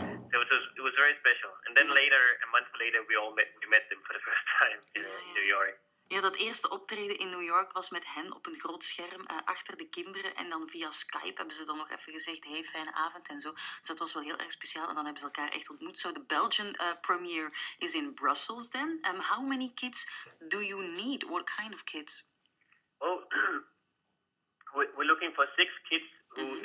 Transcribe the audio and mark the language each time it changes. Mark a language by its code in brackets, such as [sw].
[en] So it was very special. And then later, a month later, we met them for the first time in New York. [nl] Ja, dat eerste optreden in New York was met hen op een groot scherm achter de kinderen. En dan via Skype hebben ze dan nog even gezegd, hey, fijne avond en zo. Dus dat was wel heel erg speciaal. En dan hebben ze elkaar echt ontmoet. [en] So the Belgian premiere is in Brussels then. How many kids do you need? What kind of kids? Oh, we're looking for 6 kids who mm-hmm.